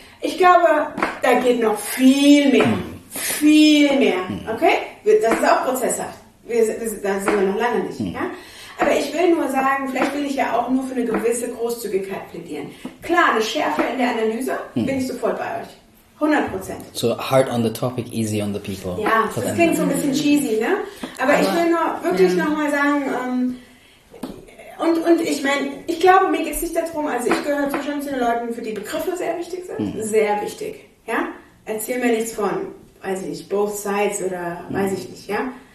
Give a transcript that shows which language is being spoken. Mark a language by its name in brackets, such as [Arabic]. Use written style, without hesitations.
[German] Ich glaube, da geht noch viel mehr. Viel mehr. Okay? Das ist auch prozesshaft. Da sind wir noch lange nicht. Ja? Aber ich will nur sagen, vielleicht will ich ja auch nur für eine gewisse Großzügigkeit plädieren. Klar, eine Schärfe in der Analyse, bin ich sofort bei euch. 100%. [English] So hard on the topic, easy on the people. [German] Ja, das klingt so ein bisschen cheesy, ne? Aber ich will nur wirklich nochmal sagen, und ich meine, ich glaube, mir geht es nicht darum, also ich gehöre zu den Leuten, für die Begriffe sehr wichtig sind. Sehr wichtig. ja, erzähl mir nichts von, weiß ich nicht, both sides oder weiß ich nicht, ja.